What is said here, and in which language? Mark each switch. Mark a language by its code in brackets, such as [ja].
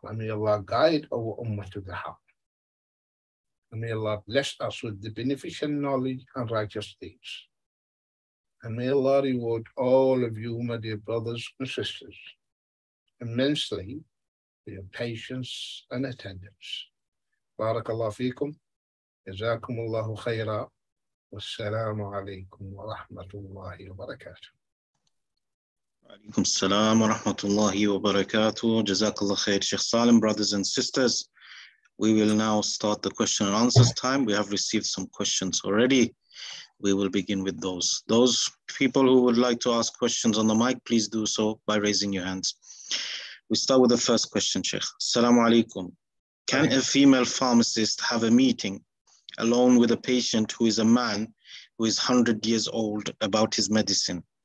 [en] And may Allah guide our Ummah to the Haqq. And may Allah bless us with the beneficent knowledge and righteous deeds. And may Allah reward all of you, my dear brothers and sisters, immensely for your patience and attendance. [ar] Barakallahu feekum. جزاكم الله خيرا والسلام عليكم ورحمة الله وبركاته. عليكم السلام ورحمة الله وبركاته. جزاك الله خير شيخ سالم. [en] Brothers and sisters, we will now start the question and answers time. We have received some questions already. We will begin with those. Those people who would like to ask questions on the mic, please do so by raising your hands. We start with the first question, Sheikh. Assalamu alaikum. Can a female pharmacist have a meeting alone with a patient who is a man who is 100 years old about his medicine?